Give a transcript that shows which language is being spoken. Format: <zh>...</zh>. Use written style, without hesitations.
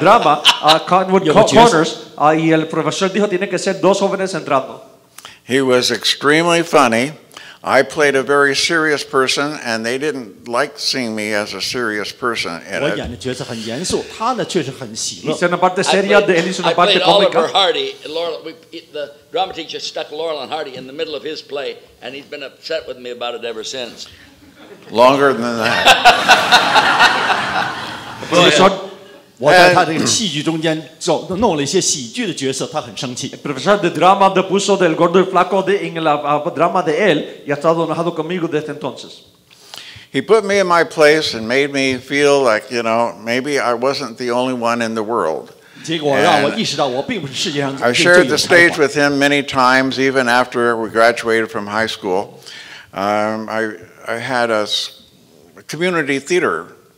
<es>Drama, Cottonwood Corners, y el profesor dijo tiene que ser dos jóvenes en drama.</es> <en>He was extremely funny. I played a very serious person, and they didn't like seeing me as a serious person. I played the character very serious. He was very happy. He said about the serious, the Ellison about the comic. I played Oliver Hardy. The drama teacher stuck Laurel and Hardy in the middle of his play, and he's been upset with me about it ever since. Longer than that.</en> <zh>Professor, 我在他这个戏剧中间弄了一些喜剧的角色，他很生气。</zh> <es>Profesor de drama de puso del gordo y flaco de en el drama de él y ha estado enojado conmigo desde entonces.</es> <en>He put me in my place and made me feel like, you know, maybe I wasn't the only one in the world.</en> <zh>结果让我意识到我并不是世界上最有才华。</zh> <en>I shared the stage with him many times, even after we graduated from high school. I had a community theater.</en>